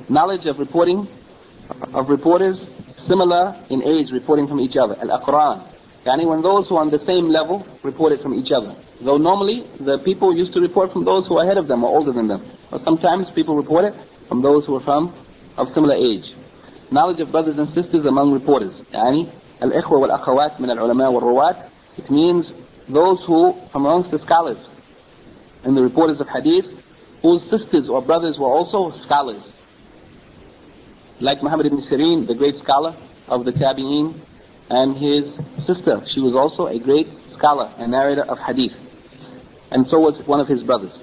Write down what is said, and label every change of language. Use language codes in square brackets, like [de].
[en] Knowledge of reporting, of reporters similar in age reporting from each other, al-aqran, yani when those who are on the same level reported from each other. Though normally, the people used to report from those who are ahead of them or older than them. But sometimes people report it from those who are from of similar age. Knowledge of brothers and sisters among reporters. [ar] يعني الإخوة والأخوات من العلماء والرواة. [en] It means those who, from amongst the scholars and the reporters of hadith, whose sisters or brothers were also scholars. Like Muhammad ibn Sirin, the great scholar of the Tabi'een, and his sister. She was also a great scholar and narrator of hadith, and so was one of his brothers.